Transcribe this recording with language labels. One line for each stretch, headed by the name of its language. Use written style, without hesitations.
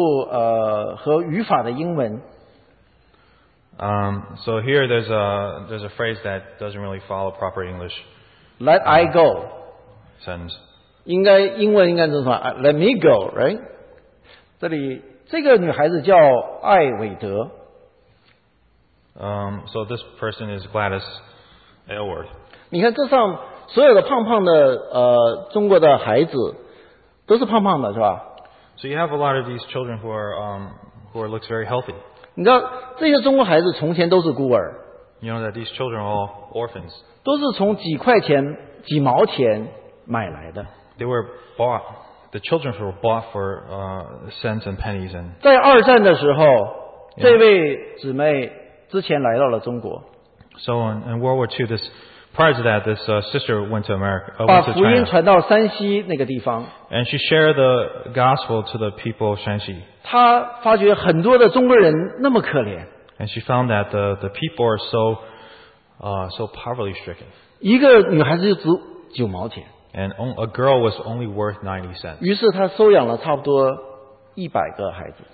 Chinese: 讲最后一个我们就结束，再下一个。好，再下一个。好，这里面有一个很不合语法的英文。
English: So here there's a phrase that doesn't really follow proper English. Let I go. Sentence.
Chinese: 应该英文应该怎么说？
English: Let me go, right?
Chinese: 这里这个女孩子叫艾韦德。
English: So this person is Gladys Aylward.
Chinese: 你看这上所有的胖胖的中国的孩子都是胖胖的是吧？
English: So you have a lot of these children who are looks very healthy.
Chinese: 你知道这些中国孩子从前都是孤儿。
English: You know that these children are all orphans.
Chinese: 都是从几块钱几毛钱买来的。
English: They were bought. The children were bought for cents and pennies. And
Chinese: 在二战的时候, yeah. 这位姊妹之前来到了中国。
English: So in World War II, this prior to that, this sister went to America.
Chinese: 把福音传到山西那个地方。
English: And she shared the gospel to the people of Shanxi.
Chinese: 她发觉很多的中国人那么可怜。
English: And she found that the people are so so poverty stricken.
Chinese: 一个女孩子就值九毛钱。
English: And a girl was only worth 90 cents.
Chinese: 于是她收养了差不多一百个孩子。